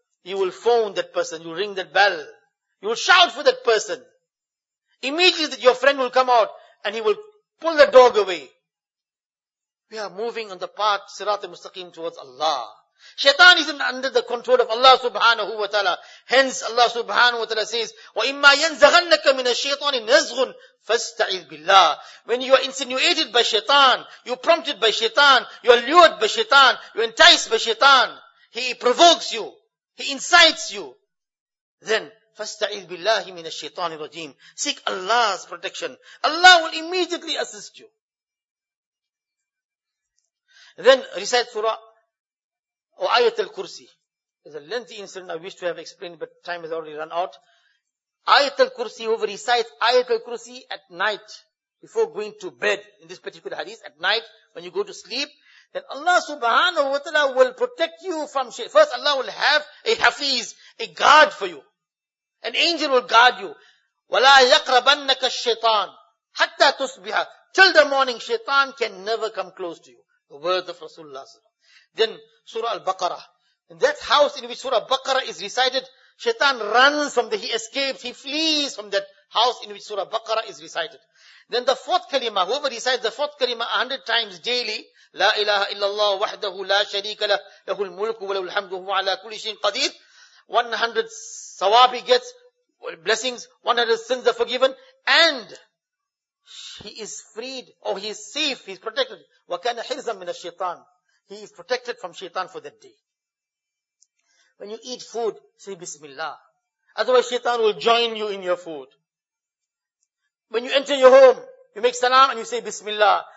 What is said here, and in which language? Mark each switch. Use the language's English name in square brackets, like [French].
[English] You will phone that person. You ring that bell. You will shout for that person. Immediately that your friend will come out and he will pull the dog away. We are moving on the path, Sirat-e-Mustaqim, towards Allah. Shaitan isn't under the control of Allah subhanahu wa ta'ala. Hence Allah subhanahu wa ta'ala says, [Arabic] وَإِمَّا يَنْزَغَنَّكَ مِنَ الشَّيْطَانِ نَزْغٌ فَاسْتَعِذْ بِاللَّهِ. [English] When you are insinuated by Shaitan, you are prompted by Shaitan, you are lured by Shaitan, you are enticed by Shaitan, he provokes you, he incites you, then [Arabic] فَاسْتَعِذْ بِاللَّهِ مِنَ الشَّيْطَانِ الرَّجِيمِ. [English] Seek Allah's protection. Allah will immediately assist you. Then recite surah or ayat al-kursi. It's a lengthy incident I wish to have explained, but time has already run out. Ayat al-kursi, whoever recites ayat al-kursi at night before going to bed, in this particular hadith, at night when you go to sleep, then Allah subhanahu wa ta'ala will protect you from shaitan. First Allah will have a hafiz, a guard for you. An angel will guard you. [Arabic] وَلَا يَقْرَبَنَّكَ الشَّيْطَانِ حَتَّى تُصْبِحَ. [English] Till the morning, shaitan can never come close to you. The words of Rasulullah. Then Surah Al-Baqarah. In that house in which Surah Al-Baqarah is recited, Shaitan runs from there. He escapes. He flees from that house in which Surah Al-Baqarah is recited. Then the fourth kalima. Whoever recites the fourth kalima 100 times daily, [Arabic] لا إله إلا الله وحده لا شريك له له الملك وله الحمد وهو على كل شيء قدير. [English] 100 sawabi gets blessings. 100 sins are forgiven, and he is freed, or he is safe. He is protected. [Arabic] وَكَانَ حِرْزًا مِنَ الشَّيْطَانِ. [English] He is protected from shaitan for that day. When you eat food, say Bismillah. Otherwise shaitan will join you in your food. When you enter your home, you make salam and you say Bismillah.